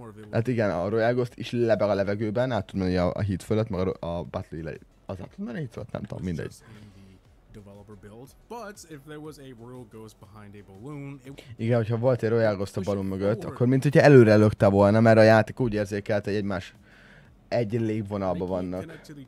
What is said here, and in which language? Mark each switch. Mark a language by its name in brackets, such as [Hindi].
[Hungarian] Hát igen, a Royale Glitchek is lebeg a levegőben, át tud menni a hit fölött, meg a Battle Healer az át tud menni a hit fölött, nem tudom, mindegy. [English] Developer build, but if there was a royal ghost behind a balloon, [Hungarian] igen, hogyha volt egy royal ghost a balon mögött, akkor mint hogyha előre lökte volna, mert a játék úgy érzékelt, hogy egymás egy lépvonalba vannak.